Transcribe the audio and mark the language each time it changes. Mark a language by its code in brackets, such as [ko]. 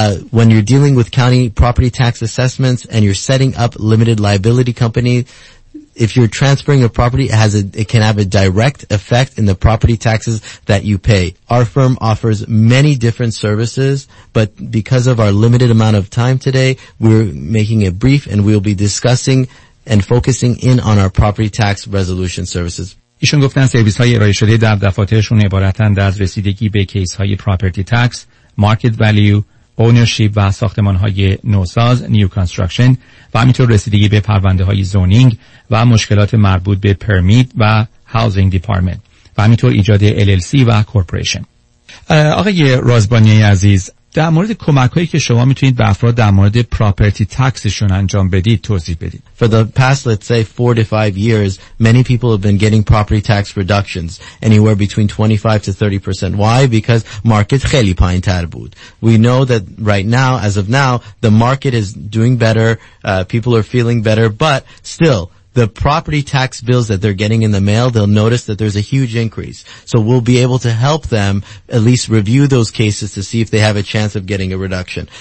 [en] When you're dealing with county property tax assessments and you're setting up limited liability companies, if you're transferring a property, it can have a direct effect in the property taxes that you pay. Our firm offers many different services, but because of our limited amount of time today, we're making it brief and we'll be discussing and focusing in on our property tax resolution services. [fa] ایشون گفتن سرویس های ارائه شده در دفاترشون عبارتند از رسیدگی به کیس های پراپرتی تکس، مارکت ولیو، اونرشیپ و ساختمان های نوساز، نیو کانستراکشن و همینطور رسیدگی به پرونده های زونینگ و مشکلات مربوط به پرمیت و هاوزینگ دیپارتمنت و همینطور ایجاد LLC و کورپوریشن. آقای رازبانی عزیز، در مورد کمک هایی که شما میتونید به افراد در مورد پراپرتی تکسشون انجام بدید توضیح بدید. [en] For the past, let's say, 4 to 5 years, many people have been getting property tax reductions anywhere between 25 to 30%. Why? Because market [fa] خیلی پایین تر بود. [en] We know that right now, as of now, the market is doing better, people are feeling better, but still, the property tax bills that they're getting in the mail, they'll notice that there's a huge increase. So we'll be able to help them at least review those cases to see if they have a chance of getting a reduction.